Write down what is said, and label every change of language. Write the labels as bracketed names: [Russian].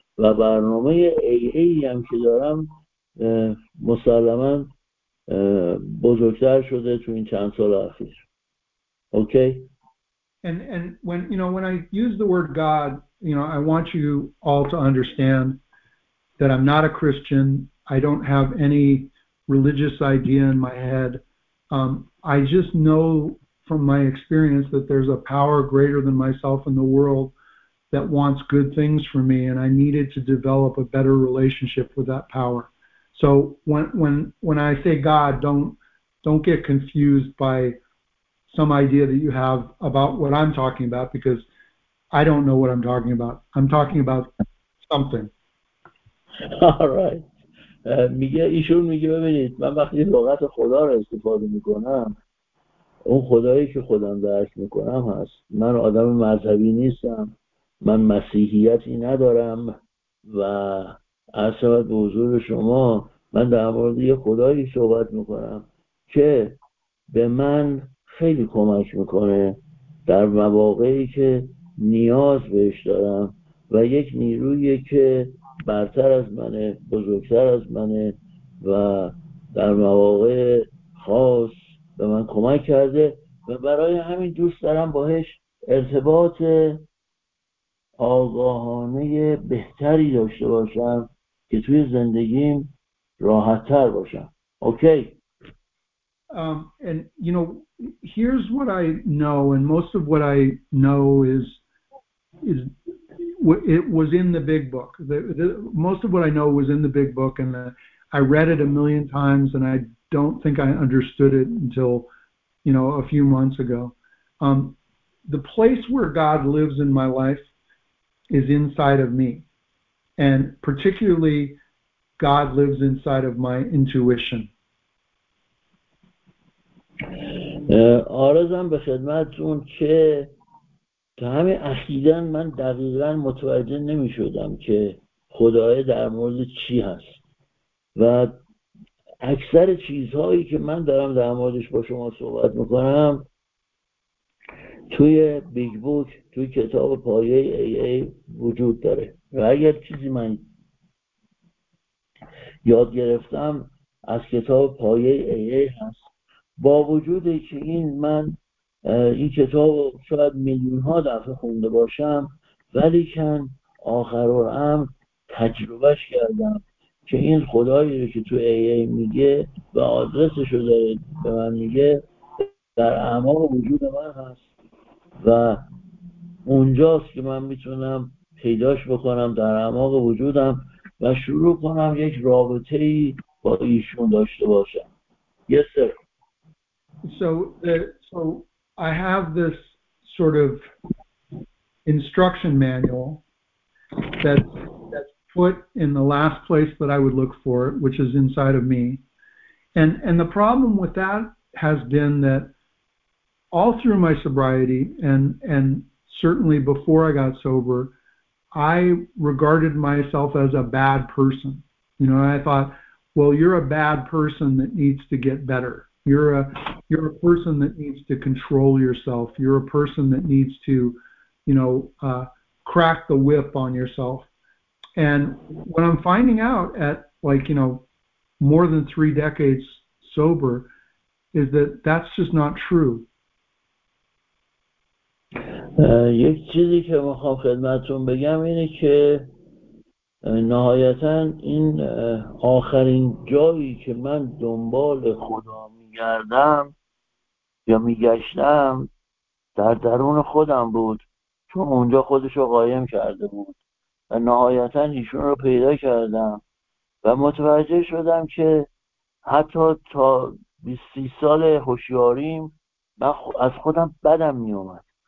[Persian] و برنامه AA هم که دارم مسلماً بزرگتر شده تو این چند سال اخیر. اوکی؟ [English] And when you know when I use the word God, you know, I want you all to understand that I'm not a Christian. I don't have any religious idea in my head. I just know from my experience that there's a power greater than myself in the world that wants good things for me, and I needed to develop a better relationship with that power. So when I say God, don't get confused by some idea that you have about what I'm talking about, because I don't know what I'm talking about. I'm talking about something. All right. [Persian] ایشون میگه ببینید من وقتی لغت خدا رو استفاده میکنم اون خدایی که خودم درک میکنم هست. من آدم مذهبی نیستم. من مسیحیتی ندارم و اصلا به حضور شما من در مورد یه خدایی صحبت میکنم که به من خیلی کمک میکنه در مواقعی که نیاز بهش دارم و یک نیرویه که برتر از منه، بزرگتر از منه و در مواقع خاص به من کمک کرده و برای همین دوست دارم باهش ارتباط آگاهانه بهتری داشته باشم که توی زندگیم راحت تر باشم. اوکی. [English] And you know, here's what I know, and most of what I know is it was in the big book. Most of what I know was in the big book, and I read it a million times, and I don't think I understood it until, you know, a few months ago. The place where God lives in my life is inside of me, and particularly God lives inside of my intuition. [Persian] آرزم به خدمتتون که تا همین اخیراً من دقیقاً متوجه نمی‌شدم که خدای در مورد چی هست و اکثر چیزهایی که من دارم در موردش با شما صحبت می‌کنم توی بیگ بوک، توی کتاب پایه AA وجود داره و اگر چیزی من یاد گرفتم از کتاب پایه AA هست. با وجود که این من این کتاب شاید میلیون ها دفعه خونده باشم، ولی کن آخر الامر تجربهش کردم که این خدایی رو که تو ای ای میگه و آدرسش رو داره به من میگه در اعماق وجود من هست و اونجاست که من میتونم پیداش بکنم در اعماق وجودم و شروع کنم یک رابطه ای با ایشون داشته باشم. [English] Yes, sir. So I have this sort of instruction manual that's put in the last place that I would look for, which is inside of me. And the problem with that has been that all through my sobriety and certainly before I got sober, I regarded myself as a bad person. You know, I thought, well, you're a bad person that needs to get better. You're a person that needs to control yourself. You're a person that needs to, you know, crack the whip on yourself. And what I'm finding out at, like, you know, more than three decades sober is that that's just not true. [Persian] یک چیزی که میخوام خدمتتون بگم اینه که نهایتاً این آخرین جایی که من دنبال خدا میگردم یا میگشتم در درون خودم بود، چون اونجا خودشو قایم کرده بود و نهایتاً ایشون رو پیدا کردم و متوجه شدم که حتی تا 20-30 سال هوشیاریم من از خودم بدم میومد.